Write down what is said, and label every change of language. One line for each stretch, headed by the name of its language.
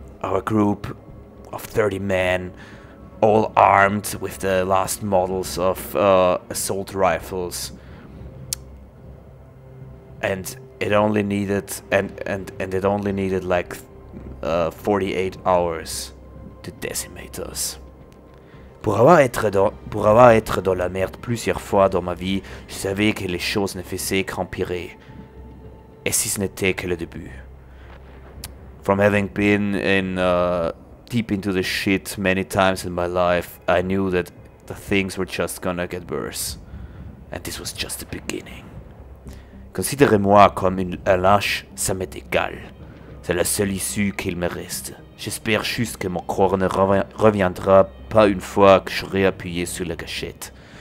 English: Our group of 30 men, all armed with the last models of assault rifles. And it only needed like 48 hours to decimate us.
French: Pour avoir été dans la merde plusieurs fois dans ma vie, je savais que les choses ne faisaient qu'empirer. Et si ce n'était que le début.
English: From having been in deep into the shit many times in my life, I knew that the things were just gonna get worse. And this was just the beginning.
French: Considérez-moi comme un lâche, ça m'est égal. C'est la seule issue qu'il me reste. J'espère juste que mon corps ne reviendra pas une fois que j'aurai appuyé sur la gâchette.